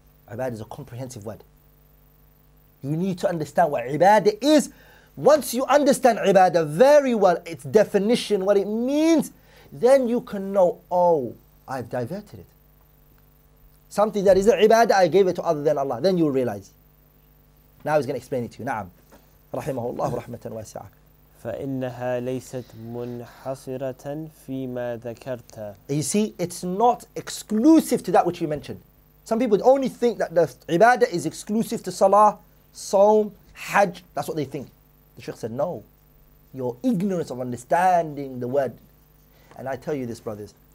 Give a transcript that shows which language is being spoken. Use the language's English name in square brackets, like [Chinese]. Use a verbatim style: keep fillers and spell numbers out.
[English] Ibadah is a comprehensive word. You need to understand what ibadah is. Once you understand ibadah very well, its definition, what it means, then you can know, oh, I've diverted it. Something that is an ibadah, I gave it to other than Allah. Then you'll realize. Now he's going to explain it to you. [Arabic] Na'am. Rahimahullah rahmatan wasi'ah. فإنها ليست منحصرة فيما ذكرت. [English] You see, it's not exclusive to that which you mentioned. Some people only think that the ibadah is exclusive to salah, psalm, hajj. That's what they think. The Shaykh said, no. Your ignorance of understanding the word. And I tell you this, brothers.